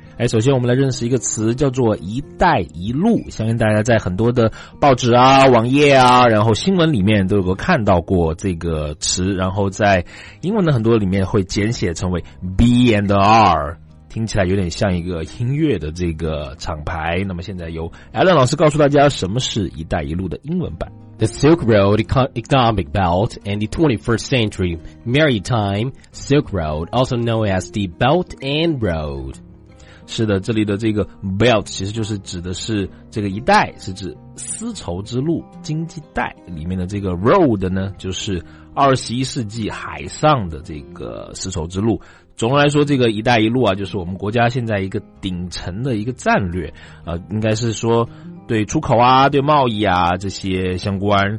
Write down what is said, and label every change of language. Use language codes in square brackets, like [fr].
[zh] 首先我们来认识一个词叫做一带一路，相信大家在很多的报纸啊、网页啊、然后新闻里面都有看到过这个词，然后在英文的很多里面会简写成为 B&R， 听起来有点像一个音乐的这个厂牌。那么现在由 Alan 老师告诉大家什么是一带一路的英文版。 [en] The Silk Road Economic Belt and the 21st Century Maritime Silk Road, also known as the Belt and Road。 [zh] 是的，这里的这个 belt 其实就是指的是这个一带，是指丝绸之路经济带里面的这个 road 呢，就是21世纪海上的这个丝绸之路。总的来说，这个一带一路啊，就是我们国家现在一个顶层的一个战略，应该是说对出口啊、对贸易啊这些相关。